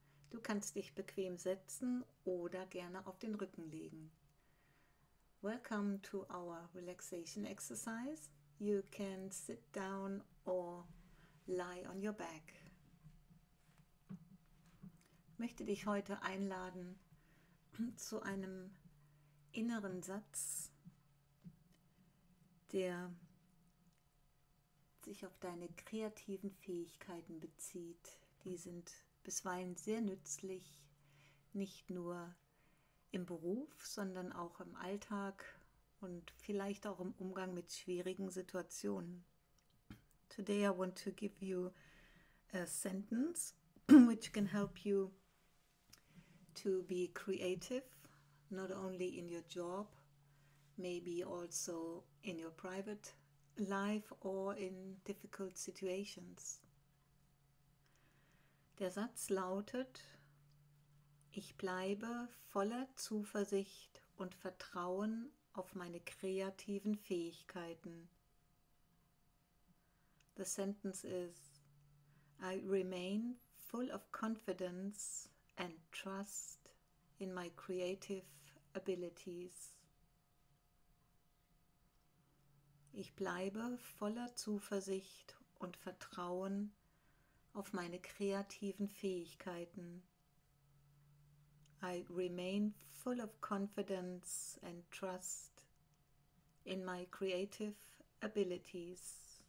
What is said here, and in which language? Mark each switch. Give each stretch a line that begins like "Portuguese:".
German: Du kannst dich bequem setzen oder gerne auf den Rücken legen.
English: Welcome to our relaxation exercise. You can sit down or lie on your back.
German: Möchte dich heute einladen zu einem inneren Satz, der sich auf deine kreativen Fähigkeiten bezieht. Die sind bisweilen sehr nützlich, nicht nur im Beruf, sondern auch im Alltag und vielleicht auch im Umgang mit schwierigen Situationen.
English: Today I want to give you a sentence which can help you to be creative, not only in your job, maybe also in your private life or in difficult situations.
German: Der Satz lautet: Ich bleibe voller Zuversicht und Vertrauen auf meine kreativen Fähigkeiten.
English: The sentence is: I remain full of confidence and trust in my creative abilities.
German: Ich bleibe voller Zuversicht und Vertrauen auf meine kreativen Fähigkeiten.
English: I remain full of confidence and trust in my creative abilities.